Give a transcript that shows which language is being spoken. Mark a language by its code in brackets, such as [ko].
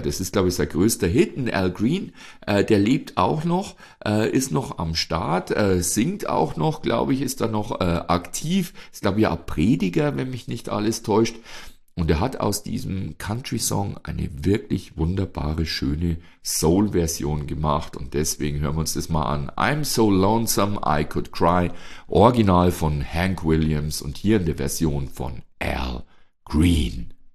[de] Das ist glaube ich sein größter Hit. Und Al Green, der lebt auch noch, ist noch am Start, singt auch noch, glaube ich, ist da noch aktiv. Ist glaube ich ja Prediger, wenn mich nicht alles täuscht. Und er hat aus diesem Country-Song eine wirklich wunderbare, schöne Soul-Version gemacht. Und deswegen hören wir uns das mal an. [en] I'm so lonesome, I could cry. [de] Original von Hank Williams und hier in der Version von Al Green.